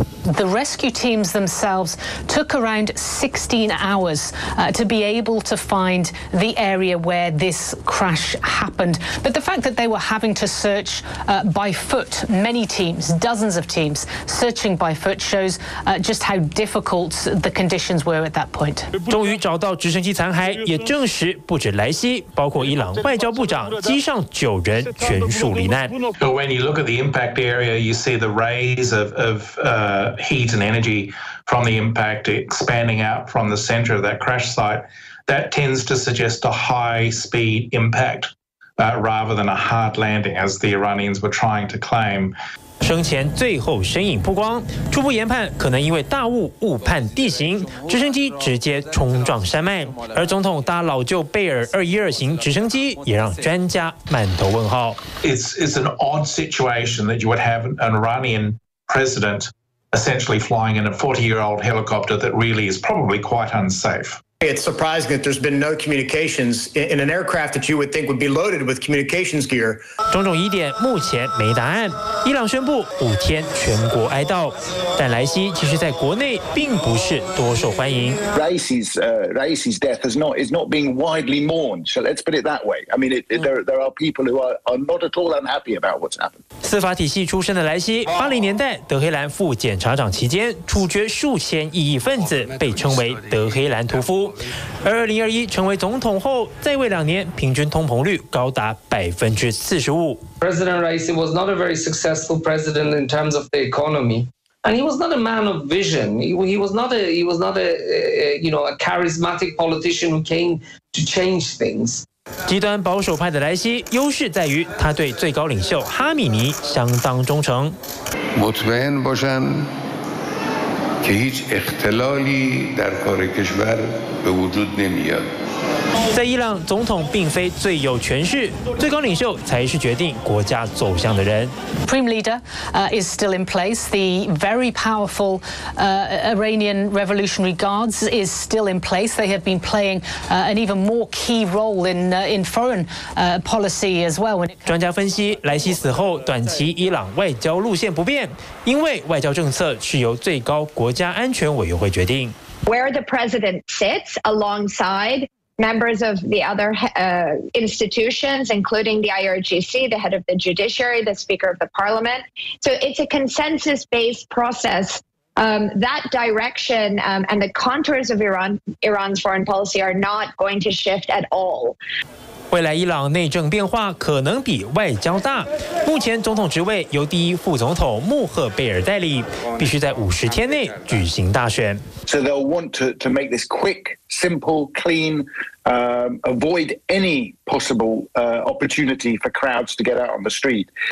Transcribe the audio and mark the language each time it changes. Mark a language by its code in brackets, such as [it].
[en] The rescue teams themselves took around 16 hours to be able to find the area where this crash happened. But the fact that they were having to search by foot, many teams, dozens of teams searching by foot, shows just how difficult the conditions were at that point. [zh] 终于找到直升机残骸，也证实不止莱西，包括伊朗外交部长，机上9人全数罹难。 [en] So when you look at the impact area, you see the rays of heat and energy from the impact expanding out from the center of that crash site, that tends to suggest a high speed impact rather than a hard landing as the Iranians were trying to claim. [zh] 生前最后身影曝光，初步研判可能因为大雾误判地形，直升机直接冲撞山脉，而总统搭老旧贝尔212型直升机也让专家满头问号。 [en] It's an odd situation that you would have an Iranian president essentially flying in a 40-year-old helicopter that really is probably quite unsafe. It's surprising that there's been no communications in an aircraft that you would think would be loaded with communications gear. [zh] 种种疑点目前没答案。伊朗宣布5天全国哀悼，但莱西其实在国内并不是多受欢迎。 [en] Raisi's death is not being widely mourned. So let's put it that way. I mean, there are people who are not at all unhappy about what's happened. [zh] 司法体系出身的莱西，80年代德黑兰副检察长期间，处决数千异议分子，被称为德黑兰屠夫。而2021成为总统后，在位2年，平均通膨率高达45%。 [en] President Raisi was not a very successful president in terms of the economy, and he was not a man of vision. He was not a charismatic politician who came to change things. [zh] 极端保守派的莱西，优势在于他对最高领袖哈米尼相当忠诚。 [fa] مطمئن باشن که هیچ اختلالی در کار کشور به وجود نمیاد. [zh] 在伊朗，总统并非最有权势，最高领袖才是决定国家走向的人。 [en] Prime leader is still in place. The very powerful Iranian Revolutionary Guards is still in place. They have been playing an even more key role in foreign policy as well. [zh] 专家分析，莱西死后，短期伊朗外交路线不变，因为外交政策是由最高国家安全委员会决定。 [en] Where the president sits alongside members of the other institutions, including the IRGC, the head of the judiciary, the speaker of the parliament. So it's a consensus-based process. That direction and the contours of Iran's foreign policy are not going to shift at all. [zh] 未来伊朗内政变化可能比外交大。目前总统职位由第一副总统穆赫贝尔代理，必须在50天内举行大选。 [en] So they'll want to make this quick, simple, clean, avoid any possible opportunity for crowds to get out on the street.